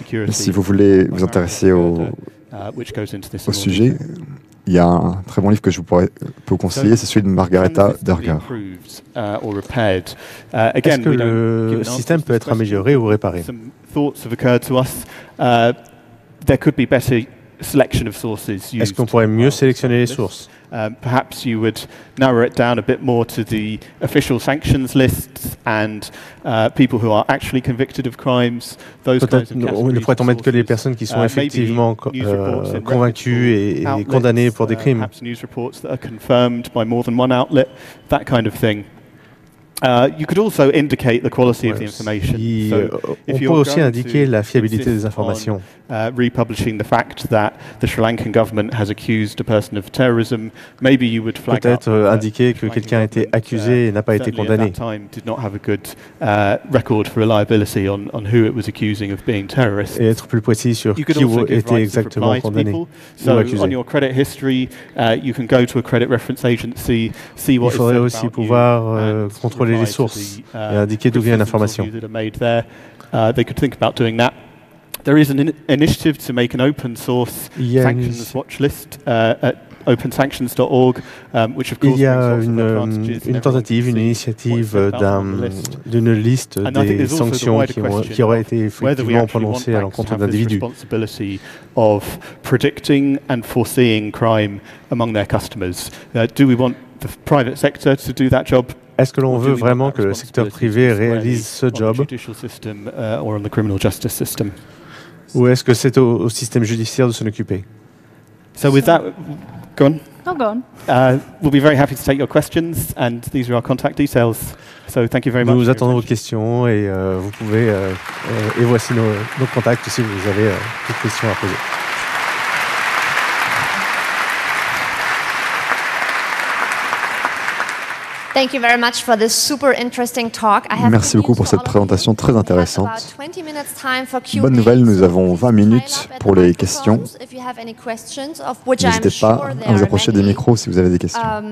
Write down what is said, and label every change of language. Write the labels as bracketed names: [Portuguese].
[French] Si vous voulez vous intéresser au sujet, il y a un très bon livre que je peux vous conseiller, c'est celui de Margareta Derger. Est-ce que le système peut être amélioré ou réparé? Est-ce qu'on pourrait mieux sélectionner les sources? [English] Perhaps you would narrow it down a bit more to the official sanctions lists and people who are actually convicted of crimes. Those kinds of categories. [French] On ne pourrait en mettre que les personnes qui sont effectivement convaincues et condamnées pour des crimes. [English] Perhaps news reports that are confirmed by more than one outlet. That kind of thing. You could also indicate the quality of the information. [French] Si, on peut aussi indiquer la fiabilité des informations. [English] Republishing the fact that the Sri Lankan government has accused a person of terrorism, maybe you would flag [French] peut-être indiquer que quelqu'un a été accusé et n'a pas été condamné. [English] At that time did not have a good record for reliability on who it was accusing of being terrorist. [French] Et être plus précis sur qui était exactement condamné. [English] So on your credit history, you can go to a credit reference agency, see what [French] is aussi pouvoir contrôler les sources et indiquer d'où vient l'information. [English] They could think about doing that. There is an initiative to make an open source sanctions watchlist at opensanctions.org, which of course [French] is une tentative, une initiative d'une liste des sanctions qui auraient été effectivement prononcées à l'encontre d'individus. [English] Responsibility of predicting and foreseeing crime among their customers. Do we want the private sector to do that job? [French] Est-ce que l'on veut vraiment que le secteur privé réalise ce job? [English] Or on the criminal justice system? [French] Ou est-ce que c'est au système judiciaire de s'en occuper? [English] So with that, go on. No, go on. We'll be very happy to take your questions, and these are our contact details. So thank you very much. [French] Nous attendons vos questions et vous pouvez et voici nos contacts si vous avez des questions à poser. [English] Thank you very much for this super interesting talk. [French] Merci beaucoup pour cette présentation très intéressante. Bonne nouvelle, nous avons 20 minutes pour les questions. N'hésitez pas à vous approcher des micros si vous avez des questions.